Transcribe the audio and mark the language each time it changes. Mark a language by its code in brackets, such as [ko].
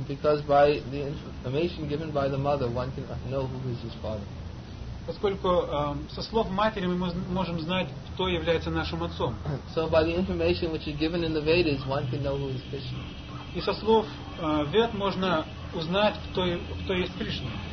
[en] Because by the information given by the mother, one can know who is his father. [ru] Поскольку со слов матери мы можем знать, кто является нашим отцом. [en] So by the information which is given in the Vedas, one can know who is Krishna. [ru] И со слов Вед можно узнать, кто есть Кришна.